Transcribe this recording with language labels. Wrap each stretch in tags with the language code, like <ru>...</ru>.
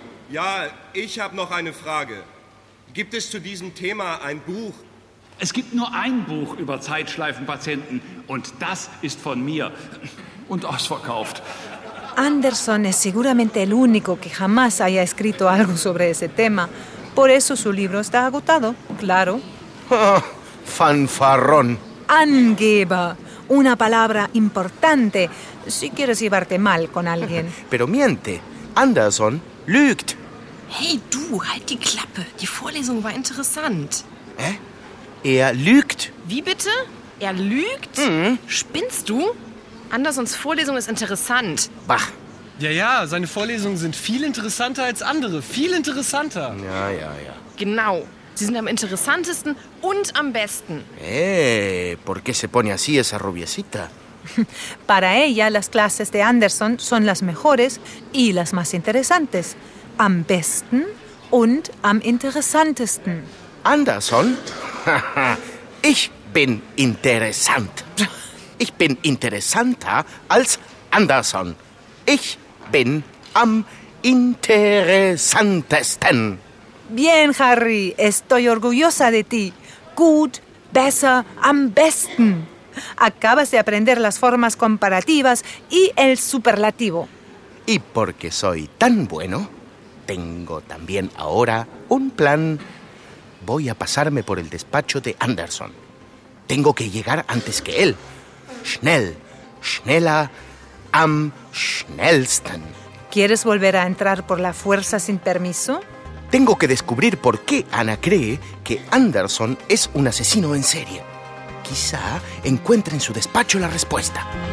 <de>Ja, ich habe noch eine Frage. Gibt es zu diesem Thema ein Buch? Es gibt nur ein Buch über Zeitschleifenpatienten und das ist von mir und ausverkauft.</de> <es>Anderson es seguramente el único que jamás haya escrito algo sobre ese tema. Por eso su libro está agotado, claro. Fanfarrón. Angeber, una palabra importante si quieres llevarte mal con alguien. Pero miente,</es> <de>Anderson lügt. Hey du, halt die Klappe, die Vorlesung war interessant. Er lügt. Wie bitte? Er lügt? Spinnst du? Andersons Vorlesung ist interessant. Bah. Ja, ja, seine Vorlesungen sind viel interessanter als andere. Viel interessanter. Ja, ja, ja. Genau. Sie sind am interessantesten und am besten.</de> <es>¿Por qué se pone así esa rubiecita? Para ella, las clases de Anderson son las mejores y las más interesantes.</es> <de>Am besten und am interessantesten. Anderson? Ich bin interessant. Ich bin interessanter als Anderson. Ich bin am interessantesten.</de> <es>Bien, Harry. Estoy orgullosa de ti.</es> <de>Gut, besser, am besten.</de> <es>Acabas de aprender las formas comparativas y el superlativo. Y porque soy tan bueno, tengo también ahora un plan. Voy a pasarme por el despacho de Anderson. Tengo que llegar antes que él.</es> <de>Schnell, schneller, am schnellsten.</de> <es>¿Quieres volver a entrar por la fuerza sin permiso? Tengo que descubrir por qué Ana cree que Anderson es un asesino en serie. Quizá encuentre en su despacho la respuesta.</es>